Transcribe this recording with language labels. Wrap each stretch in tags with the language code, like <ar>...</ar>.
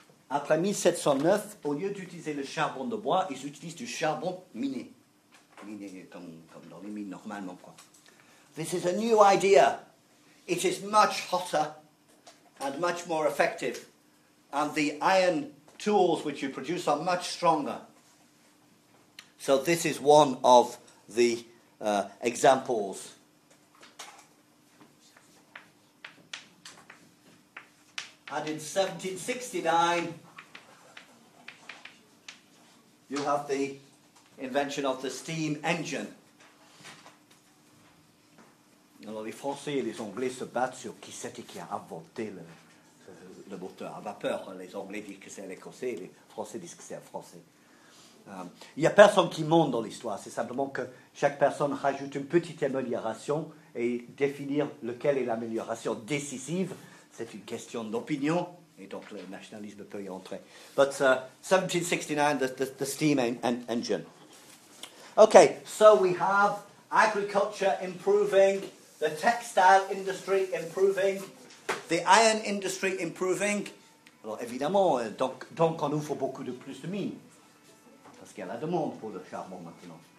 <fr>Après 1709, au lieu d'utiliser le charbon de bois, ils utilisent du charbon miné. Miné comme dans les mines normalement, quoi.</fr> <en>This is a new idea. It is much hotter and much more effective. And the iron tools which you produce are much stronger. So this is one of the examples. And in 1769... you have the invention of the steam engine.</en> <fr>Alors les Français et les Anglais se battent sur qui c'était qui a inventé le moteur à vapeur. Les Anglais disent que c'est un Écossais, les Français disent que c'est un Français. Il n'y a personne qui monte dans l'histoire, c'est simplement que chaque personne rajoute une petite amélioration et définir lequel est l'amélioration décisive, c'est une question d'opinion. Et donc le nationalisme peut y entrer.</fr> <en>But 1769, the steam engine. Okay, so we have agriculture improving, the textile industry improving, the iron industry improving.</en> <fr>Alors évidemment, donc on ouvre beaucoup de plus de mines. Parce qu'il y a la demande pour le charbon maintenant.</fr>